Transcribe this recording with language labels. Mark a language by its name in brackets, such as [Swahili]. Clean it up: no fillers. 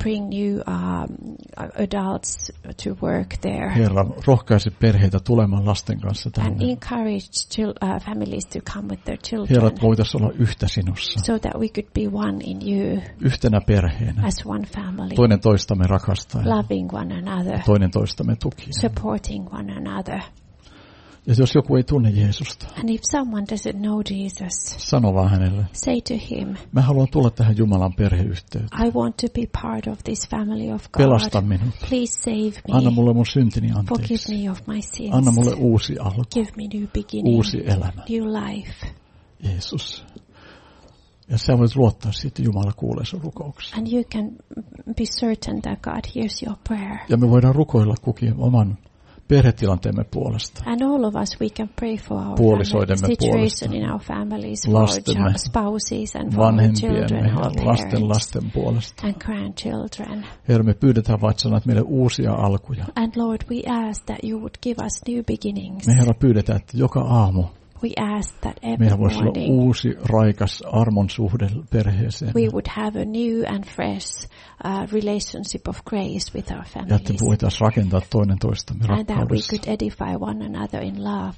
[English] Bring new adults to work there. [Finnish] Herra, rohkaise perheitä tulemaan lasten kanssa tänne. [English] And encourage families to come with their children. [Finnish] Herra, voitaisiin olla yhtä sinussa. [English] So that we could be one in you. [Finnish] Yhtenä perheenä. [English] As one family. [Finnish] Toinen toistamme rakastaen. [English] Loving one another. [Finnish] Toinen toistamme tukien. [English] Supporting one another. [Finnish] Ja jos joku ei tunne Jeesusta. [English] And if someone doesn't know Jesus. [Finnish] Sano vaan hänelle. [English] Say to him. [Finnish] Mä haluan tulla tähän Jumalan perheyhteyteen. [English] I want to be part of this family of God. [Finnish] Pelasta minut. [English] Please save me. [Finnish] Anna mulle mun syntini anteeksi. [English] Forgive me of my sins. [Finnish] Anna mulle uusi alku. [English] Give me new beginning. [Finnish] Uusi elämä. [English] New life. [Finnish] Jeesus. Ja sä voit luottaa siitä, että Jumala kuulee sun rukouksia. [English] And you can be certain that God hears your prayer. [Finnish] Ja me voidaan rukoilla kukin oman perhetilanteemme puolesta. [English] And all of us, we can pray for our [Finnish] puolisoidemme puolesta. [English] In our families, [Finnish] lastemme, [English] spouses and [Finnish] vanhempien, lasten lasten puolesta. [English] And grandchildren. [Finnish] Herra, me pyydetään vaan, että sanat meille uusia alkuja. [English] And Lord, we ask that you would give us new beginnings. [Finnish] Me Herra pyydetään, että joka aamu [English] we ask that every [Finnish] meillä voisi olla uusi, raikas armon suhde perheeseen. [English] We would have a new and fresh relationship of grace with our families. [Finnish] Ja että voitaisiin rakentaa toinen toistamme rakkaudessa. [English] And that we could edify one another in love.